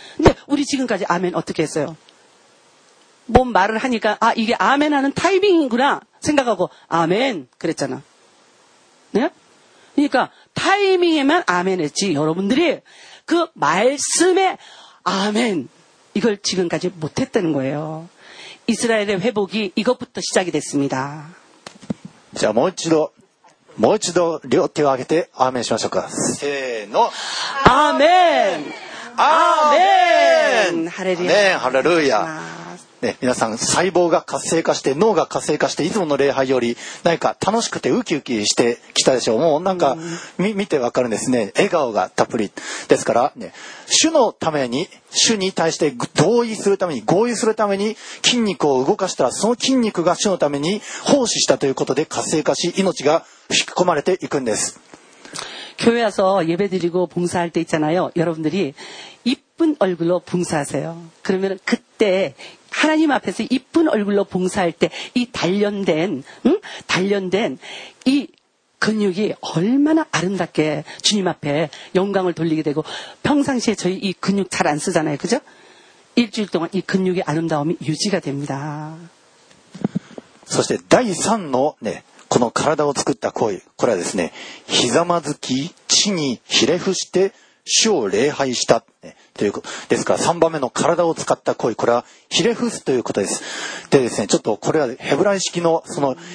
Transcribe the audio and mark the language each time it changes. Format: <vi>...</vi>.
<ko>근데 우리 지금까지 아멘 어떻게 했어요? 뭔 말을 하니까 아 이게 아멘하는 타이밍이구나 생각하고 아멘 그랬잖아. 네? 그러니까 타이밍에만 아멘했지 여러분들이 그 말씀에 아멘 이걸 지금까지 못했다는 거예요. 이스라엘의 회복이 이것부터 시작이 됐습니다. 자,</ko> <ja>もう一度 両手を挙げて 아멘 しましょうか. 세노</ja> <ko>아멘 아멘 할렐루야 할렐루야. 네, 여러분, 세포가 활성화</ko> <ja>して</ja> <ko>뇌가 활성화</ko> <ja>して いつもの礼拝よりなんか楽しくてウキウキしてきたでしょう。もうなんか見て分かるんですね。笑顔がたっぷりですから、主のために主に対して合意するために合意するために筋肉を動かしたら、その筋肉が主のために奉仕したということで活性化し、命が引き込まれていくんです。</ja> <ko>교회에서 예배드리고 봉사할 때 있잖아요. 여러분들이 이쁜 얼굴로 봉사하세요. 그러면 그때 하나님 앞에서 이쁜 얼굴로 봉사할 때 이 단련된 응? 단련된 이 근육이 얼마나 아름답게 주님 앞에 영광을 돌리게 되고 평상시에 저희 이 근육 잘 안 쓰잖아요. 그죠? 일주일 동안 이 근육의 아름다움이 유지가 됩니다.</ko> <ja>そして第3の ね この体を作った行為、これはですね、ひざまずき、地にひれ伏して、主を礼拝した。ということですから、3番目の体を使った行為、これはひれ伏すということです。でですね、ちょっとこれはヘブライ式のその</ja>